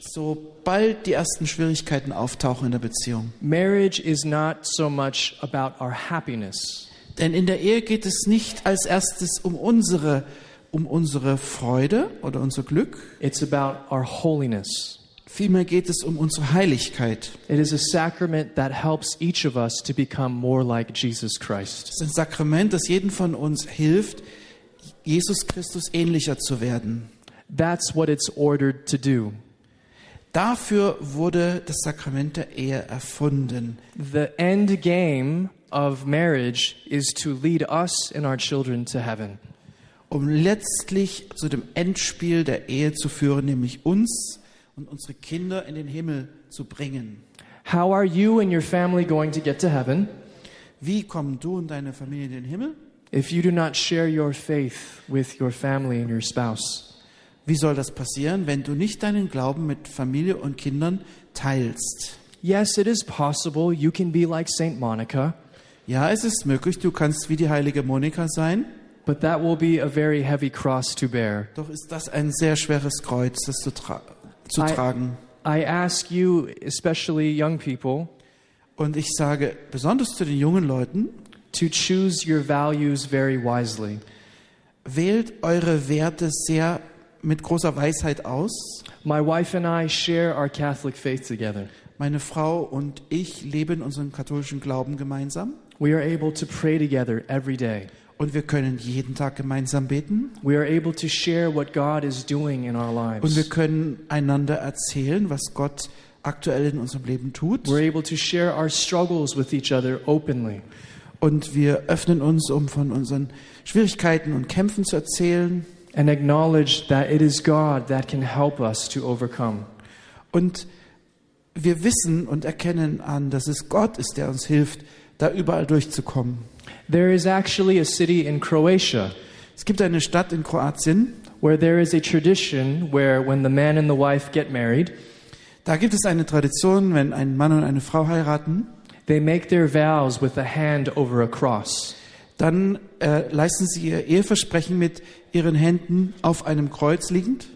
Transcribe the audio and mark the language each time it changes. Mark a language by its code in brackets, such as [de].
[de] Sobald die ersten Schwierigkeiten auftauchen in der Beziehung. [en] Marriage is not so much about our happiness. [de] Denn in der Ehe geht es nicht als erstes um unsere Freude oder unser Glück. [en] It's about our holiness. [de] Vielmehr geht es um unsere Heiligkeit. [en] It is a sacrament that helps each of us to become more like Jesus Christ. [de] Es ist ein Sakrament, das jeden von uns hilft, Jesus Christus ähnlicher zu werden. [en] That's what it's ordered to do. [de] Dafür wurde das Sakrament der Ehe erfunden. [en] The end game of marriage is to lead us and our children to heaven. [de] Um letztlich zu dem Endspiel der Ehe zu führen, nämlich uns und unsere Kinder in den Himmel zu bringen. [en] How are you and your family going to get to heaven? [de] Wie kommen du und deine Familie in den Himmel? [en] If you do not share your faith with your family and your spouse. [de] Wie soll das passieren, wenn du nicht deinen Glauben mit Familie und Kindern teilst? [en] Yes, it is possible you can be like Saint Monica. [de] Ja, es ist möglich, du kannst wie die heilige Monika sein. [en] But that will be a very heavy cross to bear. [de] Doch ist das ein sehr schweres Kreuz, das du zu tragen. [en] I ask you, especially young people, [de] und ich sage besonders zu den jungen Leuten, [en] to choose your values very wisely. [de] Wählt eure Werte sehr mit großer Weisheit aus. [en] My wife and I share our Catholic faith together. [de] Meine Frau und ich leben unseren katholischen Glauben gemeinsam. [en] We are able to pray together every day. [de] Und wir können jeden Tag gemeinsam beten. [en] We are able to share what God is doing in our lives. [de] Und wir können einander erzählen, was Gott aktuell in unserem Leben tut. [en] We're able to share our struggles with each other openly. [de] Und wir öffnen uns, um von unseren Schwierigkeiten und Kämpfen zu erzählen. [en] And acknowledge that it is God that can help us to overcome. [de] Und wir wissen und erkennen an, dass es Gott ist, der uns hilft, da überall durchzukommen. [en] There is actually a city in Croatia. [de] Es gibt eine Stadt in Kroatien, [en] where there is a tradition where when the man and the wife get married, [de] da gibt es eine Tradition, wenn ein Mann und eine Frau heiraten, [en] they make their vows with a hand over a cross. [de] Dann leisten sie ihr Eheversprechen mit ihren Händen auf einem Kreuz liegend.